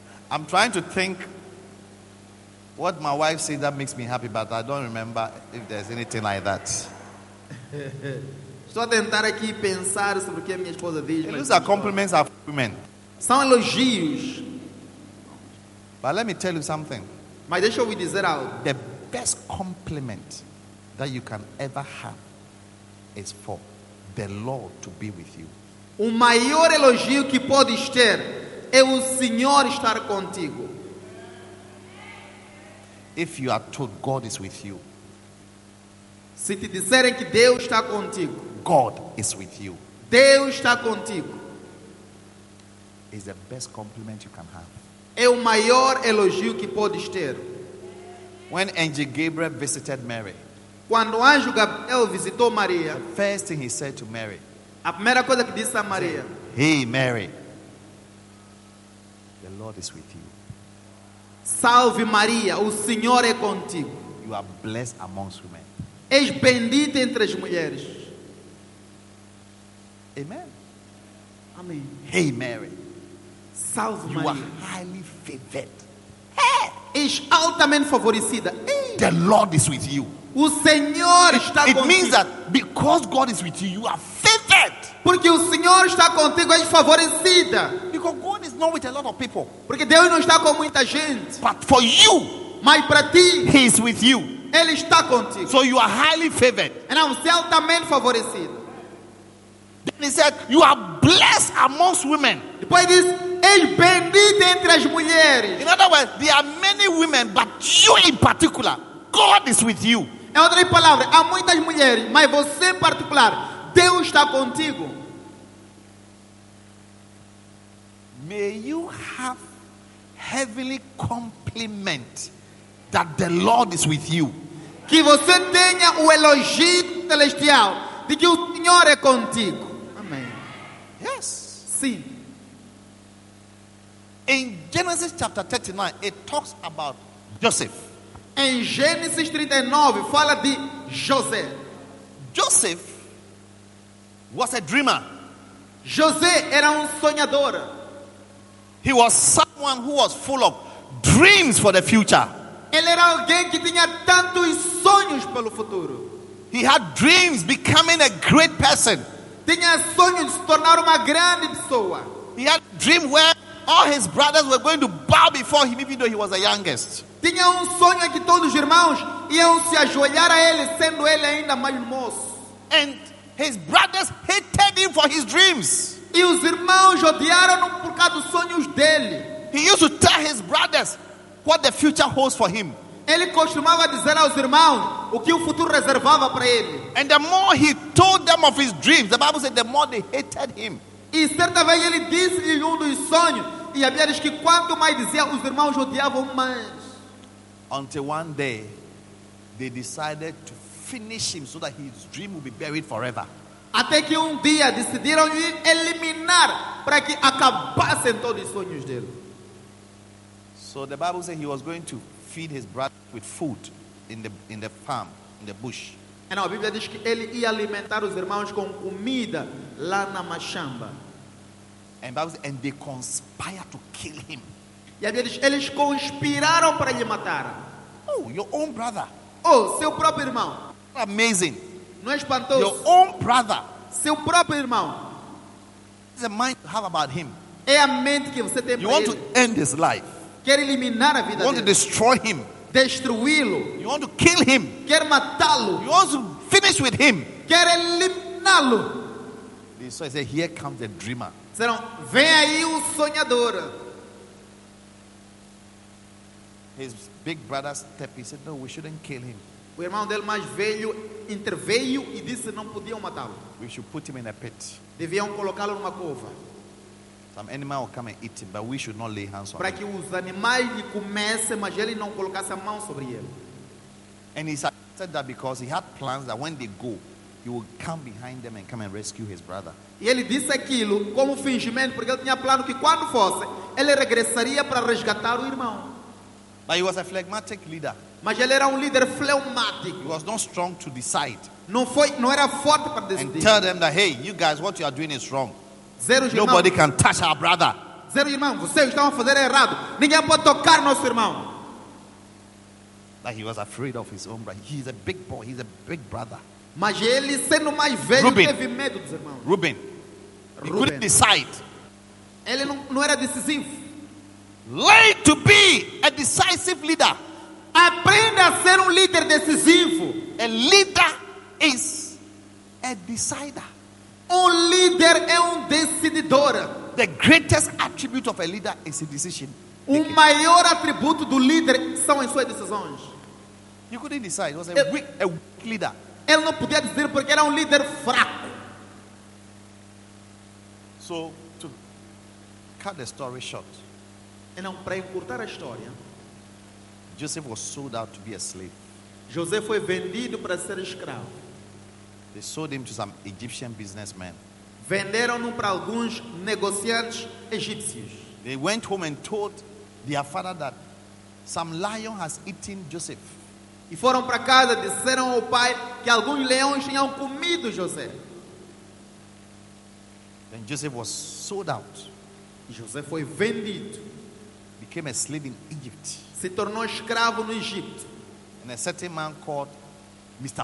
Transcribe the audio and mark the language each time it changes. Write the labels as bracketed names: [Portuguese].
[English] I'm trying to think what my wife says that makes me happy, but I don't remember if there's anything like that. [Portuguese] Estou a tentar aqui pensar sobre o que a minha esposa diz. Elas são [English] compliments of women. [Portuguese] São elogios. [English] But let me tell you something. [Portuguese] Mas deixa eu lhe dizer algo. [English] The best compliment that you can ever have is for the Lord to be with you. [Portuguese] O maior elogio que podes ter é o Senhor estar contigo. [English] If you are told God is with you, [Portuguese] se te disserem que Deus está contigo, [English] God is with you. [Portuguese] Deus está contigo. [English] Is the best compliment you can have. [Portuguese] É o maior elogio que podes ter. [English] When Angel Gabriel visited Mary, [Portuguese] quando o anjo Gabriel visitou Maria, [English] the first thing he said to Mary, [Portuguese] a primeira coisa que disse a Maria, [English] hey Mary, the Lord is with you. [Portuguese] Salve Maria, o Senhor é contigo. [English] You are blessed amongst women. [Portuguese] És bendita entre as mulheres. [English] Amen. [Portuguese] Amém. [English] Hey Mary. [Portuguese] Salve [English] you [Portuguese] Maria. [English] Are highly favored. [Portuguese] És altamente favorecida. [English] The Lord is with you. [Portuguese] O Senhor está contigo. [English] It means that because God is with you, you are favored. [Portuguese] Porque o Senhor está contigo, és favorecida. [English] Because God is not with a lot of people. [Portuguese] Porque Deus não está com muita gente. [English] But for you, [Portuguese] mas para ti, [English] He is with you. [Portuguese] Ele está contigo. [English] So you are highly favored. [Portuguese] E você é altamente favorecida. [English] Then he said, "You are blessed amongst women." [Portuguese] Depois diz, "És bendita entre as mulheres." [English] In other words, there are many women, but you in particular, God is with you. [Portuguese] Em outras palavras, há muitas mulheres, mas você em particular, Deus está contigo. [English] May you have heavenly compliment that the Lord is with you. [Portuguese] Que você tenha o elogio celestial de que o Senhor é contigo. [English] Yes. See. In Genesis chapter 39, it talks about Joseph. [Portuguese] Em Gênesis 39, fala de José. [English] Joseph was a dreamer. [Portuguese] José era um sonhador. [English] He was someone who was full of dreams for the future. [Portuguese] Ele era alguém que tinha tantos sonhos pelo futuro. [English] He had dreams becoming a great person. [Portuguese] Tinha sonho de se tornar uma grande pessoa. [English] He had a dream where all his brothers were going to bow before him, even though he was the youngest. [Portuguese] Tinha sonho que todos os irmãos iam se ajoelhar a ele, sendo ele ainda mais moço. [English] And his brothers hated him for his dreams. [Portuguese] E os irmãos odiaram-no por causa dos sonhos dele. [English] He used to tell his brothers what the future holds for him. [Portuguese] Ele costumava dizer aos irmãos o que o futuro reservava para ele. [English] And the more he told them of his dreams, the Bible said the more they hated him. [Portuguese] E certa vez ele disse-lhe um dos sonhos, e a Bíblia diz que quanto mais dizia, os irmãos odiavam mais. [English] Until one day, they decided to finish him so that his dream would be buried forever. [Portuguese] Até que dia decidiram eliminar para que acabassem todos os sonhos dele. [English] So the Bible said he was going to feed his brother with food in the farm, in the bush. [Portuguese] E não, a Bíblia diz que ele ia alimentar os irmãos com comida lá na machamba. [English] And they conspired to kill him. [Portuguese] E a Bíblia diz, eles conspiraram para lhe matar. [English] Oh, your own brother. [Portuguese] Oh, seu próprio irmão. [English] Amazing. [Portuguese] Não é espantoso? [English] Your own brother. [Portuguese] Seu próprio irmão. [English] The mind you have about him. [Portuguese] É a mente que você tem [English] you [Portuguese] para [English] want [Portuguese] ele. [English] To end his life. [Portuguese] Quer eliminar a vida [English] you want [Portuguese] dele. [English] To destroy him. [Portuguese] Destruí-lo. [English] You want to kill him. [Portuguese] Quer matá-lo. [English] You want to finish with him. [Portuguese] Quer eliminá-lo. [English] He said, here comes the dreamer. [Portuguese] Serão, vem aí o sonhador. [English] His big brother stepped. He said, no, we shouldn't kill him. [Portuguese] O irmão dele mais velho interveio e disse não podiam matá-lo. [English] We should put him in a pit. [Portuguese] Deviam colocá-lo numa cova. [English] Some animal will come and eat him, but we should not lay hands on [Portuguese] para que [English] him. [Portuguese] Os animais lhe comessem, mas ele não colocasse a mão sobre ele. [English] And he said that because he had plans that when they go, he would come behind them and come and rescue his brother. [Portuguese] E ele disse aquilo como fingimento, porque ele tinha plano que quando fosse, ele regressaria para resgatar o irmão. [English] But he was a phlegmatic leader. [Portuguese] Mas ele era líder fleumático. [English] He was not strong to decide. [Portuguese] Não era forte para decidir. [English] And tell them that, hey, you guys, what you are doing is wrong. Nobody can touch our brother. [Portuguese] Zero irmão, vocês estão a fazer errado. Ninguém pode tocar nosso irmão. [English] Like he was afraid of his own brother. He's a big boy. He's a big brother. [Portuguese] Mas ele sendo mais velho Ruben, teve medo dos irmãos. Ruben. Ruben. [English] He couldn't decide. [Portuguese] Ele não era decisivo. [English] Learn to be a decisive leader. [Portuguese] Aprenda a ser líder decisivo. [English] A leader is a decider. [Portuguese] Líder é decididor. [English] The greatest attribute of a leader is a decision. [Portuguese] Maior atributo do líder são as suas decisões. [English] You couldn't decide. He was a weak leader. [Portuguese] Ele não podia dizer porque era líder fraco. [English] So, to cut the story short. [Portuguese] E não, para encurtar a história. [English] Joseph was sold out to be a slave. [Portuguese] José foi vendido para ser escravo. [English] They sold him to some Egyptian businessmen. [Portuguese] Venderam-no para alguns negociantes egípcios. [English] They went home and told their father that some lion has eaten Joseph. [Portuguese] E foram para casa e disseram ao pai que alguns leões tinham comido José. [English] Then Joseph was sold out. [Portuguese] José foi vendido. [English] Became a slave in Egypt. [Portuguese] Se tornou escravo no Egito. [English] And a certain man called Mr.